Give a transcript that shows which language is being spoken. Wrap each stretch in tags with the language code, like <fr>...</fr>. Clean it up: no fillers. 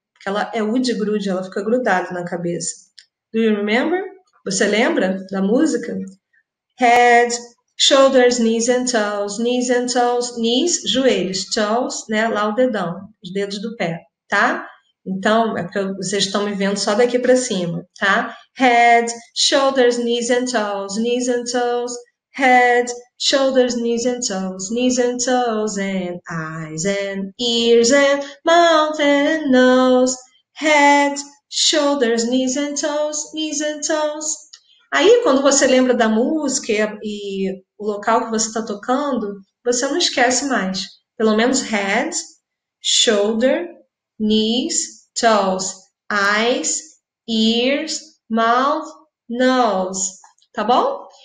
<pt>Porque ela é ude-grude, ela fica grudada na cabeça.</pt> <en>Do you remember?</en> <pt>Você lembra da música?</pt> <en>Head, shoulders, knees and toes, knees and toes, knees,</en> <pt>joelhos,</pt> <en>toes, né?</en> <pt>Lá o dedão, os dedos do pé, tá? Então, é porque vocês estão me vendo só daqui para cima, tá?</pt> <en>Head, shoulders, knees and toes, knees and toes, head, shoulders, knees and toes, and eyes and ears and mouth and nose, head, shoulders, knees and toes, knees and toes.</en> <pt>Aí, quando você lembra da música e o local que você está tocando, você não esquece mais. Pelo menos</pt> <en>head, shoulder, knees, toes, eyes, ears, mouth, nose.</en> <pt>Tá bom?</pt>